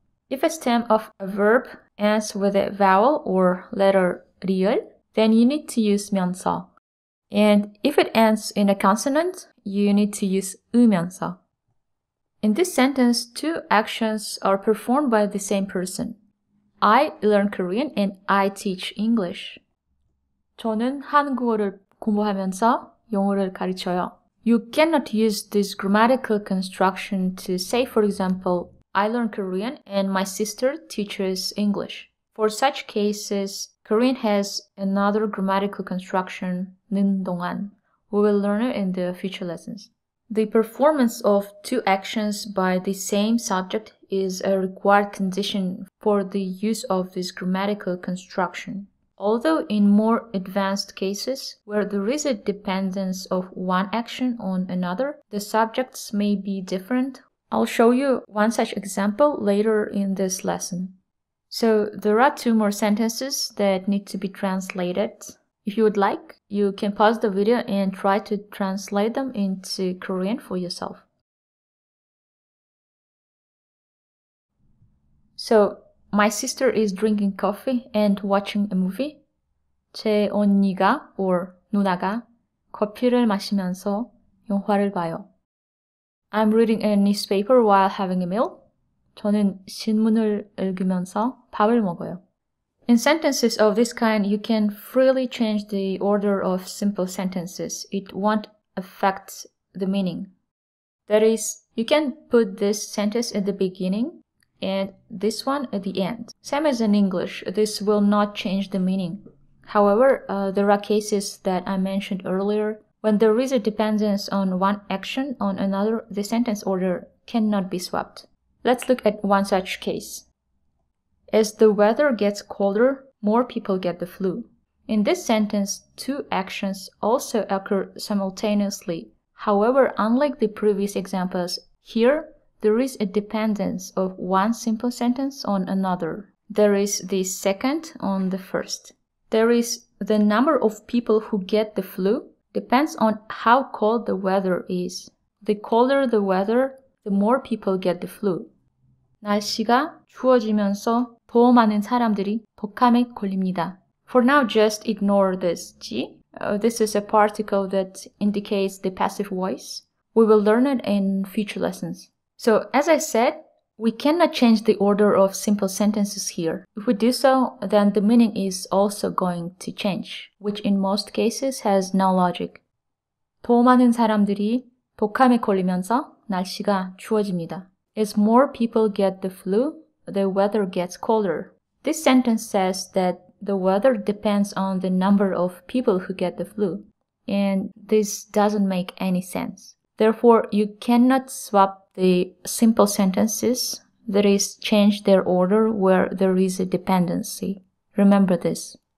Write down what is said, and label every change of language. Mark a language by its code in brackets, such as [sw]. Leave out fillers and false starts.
[en] If a stem of a verb ends with a vowel or letter 리을, then you need to use 면서. And if it ends in a consonant, you need to use 으면서. In this sentence, two actions are performed by the same person. I learn Korean and I teach English. [ko] 저는 한국어를 공부하면서 영어를 가르쳐요. [en] You cannot use this grammatical construction to say, for example, I learn Korean and my sister teaches English. For such cases, Korean has another grammatical construction, [ko] 는 동안. [en] We will learn it in the future lessons. The performance of two actions by the same subject is a required condition for the use of this grammatical construction. Although in more advanced cases, where there is a dependence of one action on another, the subjects may be different. I'll show you one such example later in this lesson. So, there are two more sentences that need to be translated. If you would like, you can pause the video and try to translate them into Korean for yourself. So, my sister is drinking coffee and watching a movie. [ko] 제 언니가 [en] or [ko] 누나가 커피를 마시면서 영화를 봐요. [en] I'm reading a newspaper while having a meal. [ko] 저는 신문을 읽으면서 밥을 먹어요. [en] In sentences of this kind, you can freely change the order of simple sentences. It won't affect the meaning. That is, you can put this sentence at the beginning and this one at the end. Same as in English, this will not change the meaning. However, there are cases that I mentioned earlier. When there is a dependence on one action on another, the sentence order cannot be swapped. Let's look at one such case. As the weather gets colder, more people get the flu. In this sentence, two actions also occur simultaneously. However, unlike the previous examples, here there is a dependence of one simple sentence on another. There is the second on the first. There is the number of people who get the flu depends on how cold the weather is. The colder the weather, the more people get the flu. [ko] 날씨가 추워지면서 더 많은 사람들이 독감에 걸립니다. [en] For now, just ignore this 지. This is a particle that indicates the passive voice. We will learn it in future lessons. So, as I said, we cannot change the order of simple sentences here. If we do so, then the meaning is also going to change, which in most cases has no logic. [ko] 더 많은 사람들이 독감에 걸리면서 날씨가 추워집니다. [en] As more people get the flu, the weather gets colder. This sentence says that the weather depends on the number of people who get the flu, and this doesn't make any sense. Therefore, you cannot swap the simple sentences, that is, change their order where there is a dependency. Remember this.